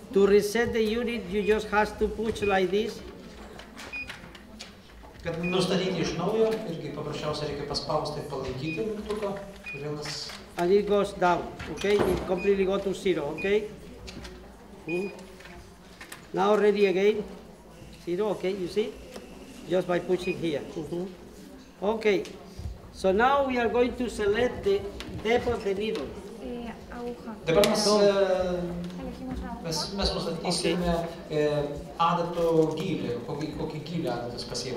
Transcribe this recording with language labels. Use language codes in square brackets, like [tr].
[en] To reset the unit, you just have to push like this. [lt] Kad nustatyti iš naujo, irgi paprasčiausia reikia paspausti ir palaikyti mygtuką. Vienas. [en] And it goes down, okay? It completely go to zero, okay? Now ready again. Zero, okay, you see? Just by pushing here. Okay. So now we are going to select the depth of the needle. [es] Aguja. [lt] Dabar mes nustatysime adato gylį, kokį gylį adatas pasieks.